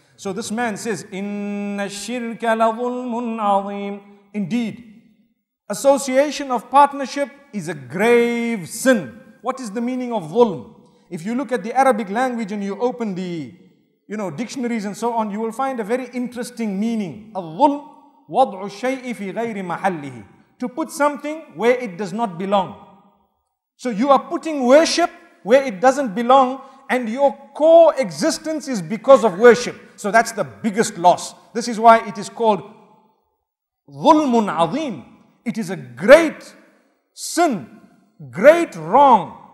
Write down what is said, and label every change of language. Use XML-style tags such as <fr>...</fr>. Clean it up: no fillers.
<en>So this man says,</en> <ar>إِنَّ الشِّرْكَ لَظُلْمٌ عَظِيمٌ.</ar> <en>Indeed, association of partnership is a grave sin. What is the meaning of ظلم? If you look at the Arabic language and you open the, you know, dictionaries and so on, you will find a very interesting meaning.</en> <ar>الظلم وضع الشيء في غير محله.</ar> <en>To put something where it does not belong. So you are putting worship where it doesn't belong and your core existence is because of worship. So that's the biggest loss. This is why it is called</en> <ar>ظُلْمٌ عَظِيمٌ.</ar> <en>It is a great sin, great wrong.</en>